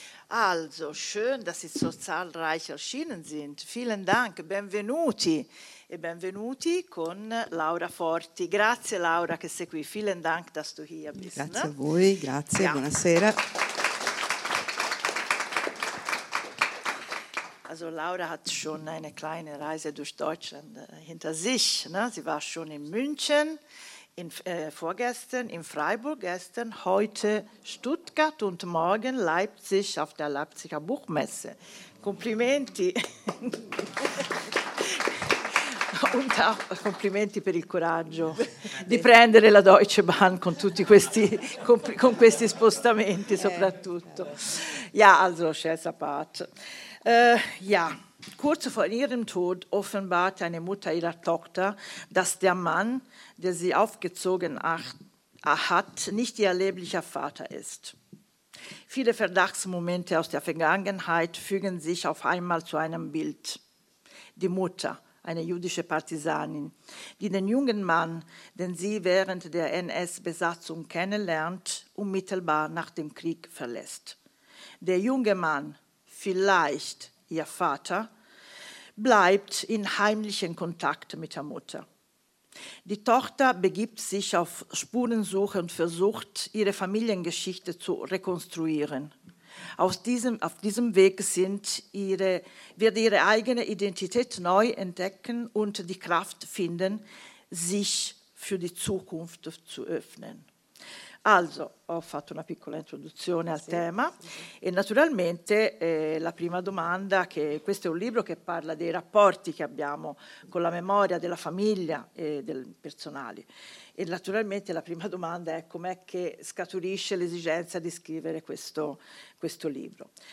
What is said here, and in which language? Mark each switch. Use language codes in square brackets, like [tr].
[de] Also, schön, dass Sie so zahlreich erschienen sind. Vielen Dank, benvenuti. [it] E benvenuti con Laura Forti. Grazie Laura che sei qui. [de] Vielen Dank, dass du hier bist. [it] Grazie a voi, grazie, ja. Buonasera. [de] Also Laura hat schon eine kleine Reise durch Deutschland hinter sich. Ne? Sie war schon in München, vorgestern in Freiburg, gestern, heute Stuttgart und morgen Leipzig auf der Leipziger Buchmesse. [it] Komplimenti. [de] Und auch [it] Komplimenti per il coraggio di prendere la Deutsche Bahn con tutti questi, con questi spostamenti soprattutto. [de] Ja, also Scherz apart. Ja, kurz vor ihrem Tod offenbart eine Mutter ihrer Tochter, dass der Mann, der sie aufgezogen hat, nicht ihr leiblicher Vater ist. Viele Verdachtsmomente aus der Vergangenheit fügen sich auf einmal zu einem Bild. Die Mutter, eine jüdische Partisanin, die den jungen Mann, den sie während der NS-Besatzung kennenlernt, unmittelbar nach dem Krieg verlässt. Der junge Mann, vielleicht ihr Vater, bleibt in heimlichem Kontakt mit der Mutter. Die Tochter begibt sich auf Spurensuche und versucht, ihre Familiengeschichte zu rekonstruieren. Auf diesem Weg wird ihre eigene Identität neu entdecken und die Kraft finden, sich für die Zukunft zu öffnen. [it] Also, ho fatto una piccola introduzione al tema. E naturalmente la prima domanda, che questo è un libro che parla dei rapporti che abbiamo con la memoria della famiglia e del personale. E naturalmente la prima domanda è com'è che scaturisce l'esigenza di scrivere questo libro.